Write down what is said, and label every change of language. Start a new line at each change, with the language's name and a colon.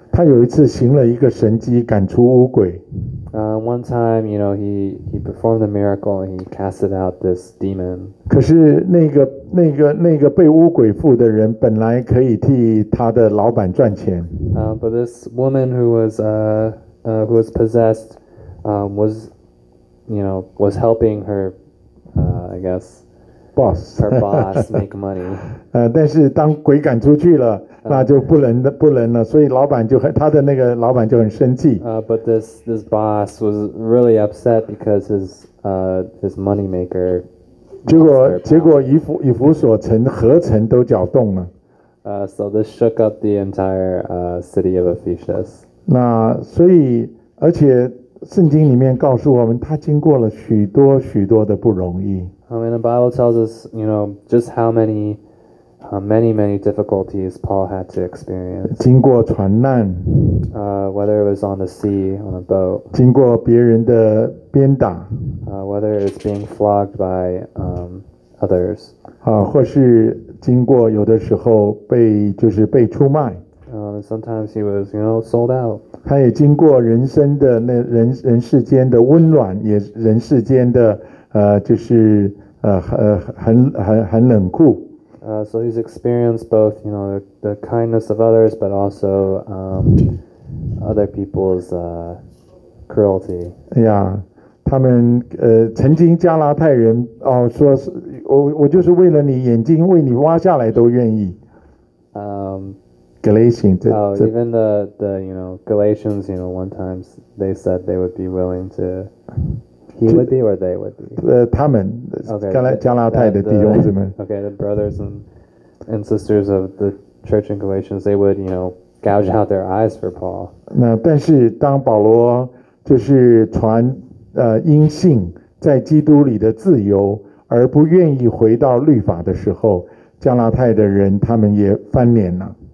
Chinese: 他有一次行了一个神迹，赶出污鬼。
English: One time, you know, he performed a miracle and he casted out this demon.
Chinese: 可是那个被污鬼附的人本来可以替他的老板赚钱。
English: But this woman who was possessed, was helping her, I guess, boss. Her boss make money.
Chinese: 但是当鬼赶出去了，那就不能了，所以老板就他的那个老板就很生气。
English: But this boss was really upset because his money maker.
Chinese: 结果以弗所城合城都搅动了。
English: So this shook up the entire city of Ephesus.
Chinese: 那所以而且。圣经里面告诉我们，他经过了许多许多的不容易。
English: And the Bible tells us, you know, just how many, many, many difficulties Paul had to experience.
Chinese: 经过船难。
English: Whether it was on the sea, on a boat.
Chinese: 经过别人的鞭打。
English: Whether it's being flogged by others.
Chinese: 或是经过有的时候被出卖。
English: Sometimes he was, you know, sold out.
Chinese: 他也经过人生的那人世间的温暖，也人世间的就是很冷酷。
English: So he's experienced both, you know, the kindness of others, but also other people's cruelty. Yeah,
Chinese: 他们曾经加拉太人哦，说我就是为了你眼睛为你挖下来都愿意。
English: Galatians, even the you know Galatians, you know, one time they said they would be willing to, he would be or they would be.
Chinese: 他们加拉太的弟兄姊妹。
English: Okay, the brothers and sisters of the church in Galatians, they would, you know, gouge out their eyes for Paul.
Chinese: 那但是当保罗就是传因信在基督里的自由而不愿意回到律法的时候，加拉太的人他们也翻脸了。